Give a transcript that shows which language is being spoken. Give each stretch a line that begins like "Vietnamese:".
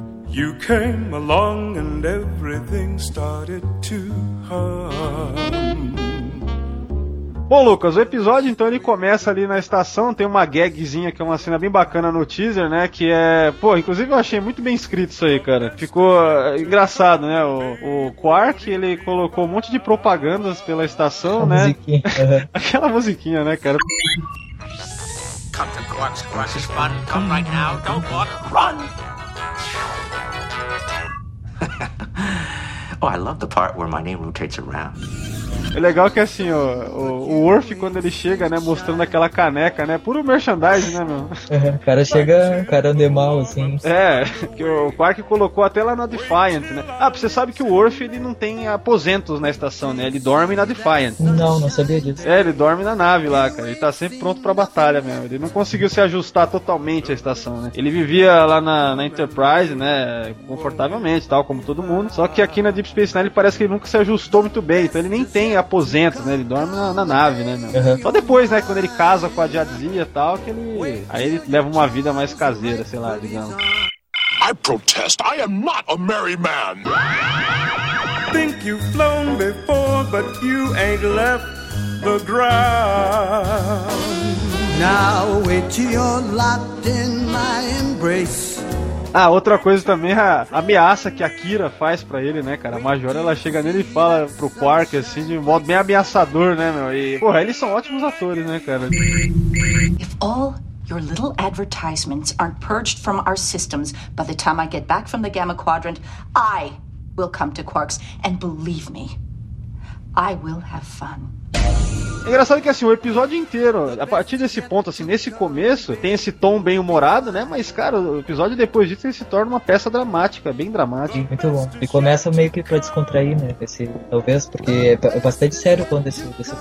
English: You came along and everything started to hum.
Portuguese: Bom, Lucas, o episódio, então, ele começa ali na estação, tem uma gagzinha que é uma cena bem bacana no teaser, né, que é... Pô, inclusive eu achei muito bem escrito isso aí, cara. Ficou engraçado, né, o Quark, ele colocou um monte de propagandas pela estação, a né? Musiquinha. Aquela musiquinha, né, cara?
English: Come to Quark's Quark's fun, come right now, don't walk, run! Oh, I love the part where my name rotates around.
Portuguese: É legal que assim, o Worf, quando ele chega, né, mostrando aquela caneca, né, puro merchandising, né, meu? O cara chega, o cara anda mal, assim. É, que o Quark colocou até lá na Defiant, né? Ah, você sabe que o Worf, ele não tem aposentos na estação, né? Ele dorme na Defiant. Não, não sabia disso. É, ele dorme na nave lá, cara. Ele tá sempre pronto pra batalha mesmo. Ele não conseguiu se ajustar totalmente à estação, né? Ele vivia lá na Enterprise, né, confortavelmente e tal, como todo mundo. Só que aqui na Deep Space Nine, ele parece que ele nunca se ajustou muito bem. Então ele nem tem aposentos, né? Ele dorme na nave, né? Uhum. Só depois, né, quando ele casa com a Jadzia e tal, que ele... Aí ele leva uma vida mais caseira, sei lá, digamos.
English: I protest, I am not a merry man. Think you've flown before, but you ain't left the ground. Now wait till you're locked in my embrace.
Portuguese: Ah, outra coisa também, a ameaça que a Kira faz pra ele, né, cara? A Major, ela chega nele e fala pro Quark, assim, de modo bem ameaçador, né, meu? E, porra, eles são ótimos atores, né, cara?
English: If all your little advertisements aren't purged from our systems by the time I get back from the Gamma Quadrant, I will come to Quark's, and believe me, I will have fun.
Portuguese: Engraçado que, assim, o episódio inteiro, a partir desse ponto, assim, nesse começo, tem esse tom bem humorado, né? Mas, cara, o episódio depois disso, ele se torna uma peça dramática, bem dramática. Sim, muito bom. E começa meio que pra descontrair, né? Esse, talvez, porque é bastante sério o tom desse episódio.